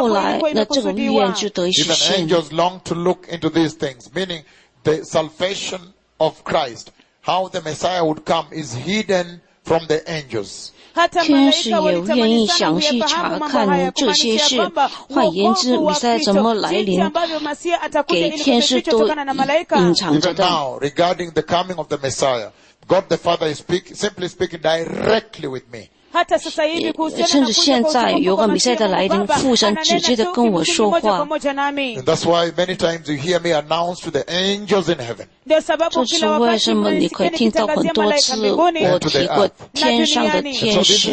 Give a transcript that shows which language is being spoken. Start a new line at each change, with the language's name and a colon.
Chinese: 甚至已经预言过的事情，后来那这个预言就得实现。
English: Even angels long to look into these things, meaning the salvation of Christ, how the Messiah would come is hidden from the angels.
Chinese: 天使也愿意详细查看这些事，换言之，弥赛亚怎么来临，给天使都隐藏着的。
English: Even now, regarding the coming of the Messiah, God the Father is simply speaking directly with me.
Chinese: 甚至现在有个弥赛亚的来临，父神直接的跟我说话。
English: And that's why many times you hear me announce to the angels in heaven.
Chinese: 这是为什么你可以听到很多次我提过天上的天使。